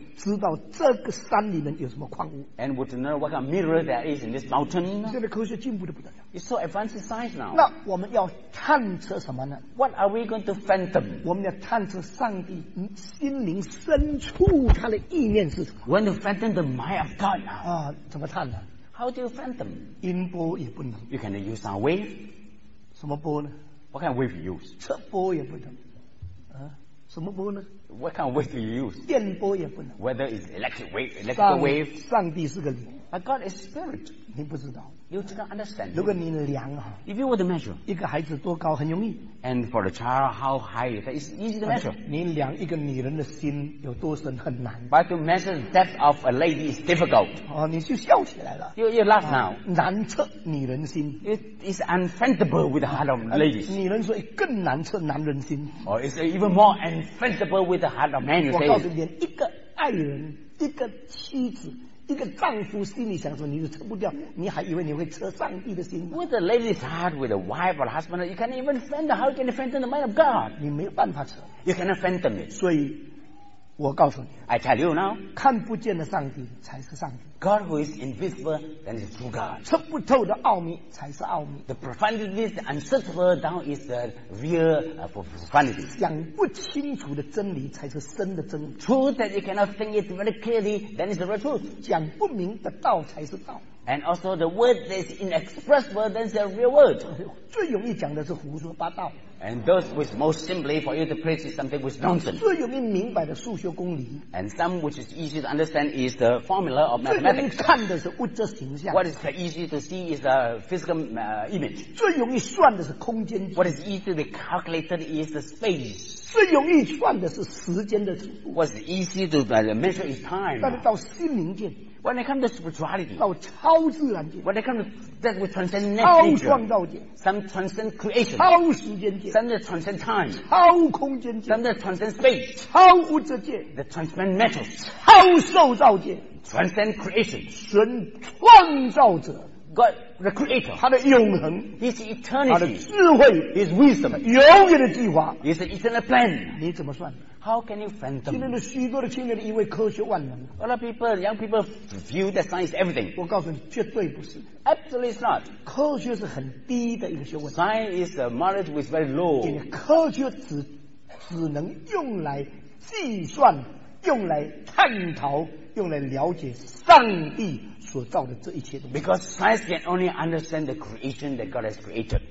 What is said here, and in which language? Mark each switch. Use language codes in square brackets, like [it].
[zh] 知道这个山里面有什么矿物。 [en] And would know what kind of mineral there is in this mountain. [zh] 现在科学进步的不得了。 [en] It's so advanced science now. [zh] 那我们要探测什么呢？ [en] What are we going to fathom? [zh] 我们要探测上帝心灵深处他的意念是什么。 [en] We're going to fathom the mind of God now. [zh] 啊，怎么探呢？ [en] How do you fathom? [zh] 音波也不能。 [en] You can use sound wave. [zh] 什么波呢？ [en] What kind of wave you use? [zh] 测波也不能。什么波呢？ [en] What kind of wave do you use? [zh] 电波也不能。 [en] Whether it's electric wave, electrical wave. [zh] 上帝是个灵。 [en] But God is spirit. [zh] 你不知道。 [en] You don't understand. [zh] 如果你量啊。 [en] If you were to measure. [zh] 一个孩子多高很容易。 [en] And for the child, how high is it? It's easy to measure. [zh] 你量一个女人的心有多深很难。 [en] But to measure the depth of a lady is difficult. [zh] 你就笑起来了。 [en] You laugh now. [zh] 难测女人心。 [en] It is unfathomable with the heart of ladies. [zh] 女人说更难测男人心。 [en] Or it's even more unfathomable with the heart of men. [zh] 我告诉你，连一个爱人，一个妻子，一个丈夫心里想说你都测不掉，你还以为你会测上帝的心吗？ [en] With a lady's heart, with a wife or a husband, you can't even fathom. How can you fathom the mind of God? [zh] 你没有办法测。 [en] You cannot fathom it. [zh] 所以，我告诉你。 [en] I tell you now. [zh] 看不见的上帝才是上帝。 [en] God who is invisible, then is true God. [zh] 测不透的奥秘才是奥秘。 [en] The profundity is unsearchable, then is the real profundity. [zh] 想不清楚的真理才是深的真理。 [en] Truth that you cannot think it very clearly, then is the real truth. [zh] 讲不明的道才是道。 [en] And also the word that is inexpressible, then is the real word. [zh] 最容易讲的是胡说八道。 [en] And those which most simply for you to preach is something which is nonsense. [zh] 最容易明白的数学公理。 [en] And some which is easy to understand is the formula of mathematics. [zh] 最容易看的是物质形象。 [en] What is easy to see is the physical image. [zh] 最容易算的是空间。 [en] What is easy to calculate is the space. [zh] 最容易算的是时间的尺度。 [en] What is easy to measure is time. [zh] 但是到心灵界。 [en] When it comes to spirituality, [zh] 到超自然界 [en] when it comes to that which transcends nature, [zh] 超创造界 [en] some transcend creation, [zh] 超时间界 [en] some that transcend time, [zh] 超空间界 [en] some that transcend space, [zh] 超物质界 [en] the transcend metals, [zh] 超受造界 [en] transcend creation, [zh] 神创造者 [en] God the creator, [zh] 他的永恒 [en] his eternity, [zh] 他的智慧 [en] his wisdom, [zh] 永远的计划 [en] his eternal plan, [zh] 你怎么算 [en] How can you fathom? [zh] 今天的许多的青年的以为科学万能。 [en] A lot of people, young people view that science is everything. [zh] 我告诉你，绝对不是。 [en] Absolutely it's not. [zh] 科学是很低的一个学问。 [en] Science is a knowledge which is very low. [zh] 今天科学只能用来计算，用来探讨，用来了解上帝所造的这一切东西。 [en] Because science can only understand the creation that God has created.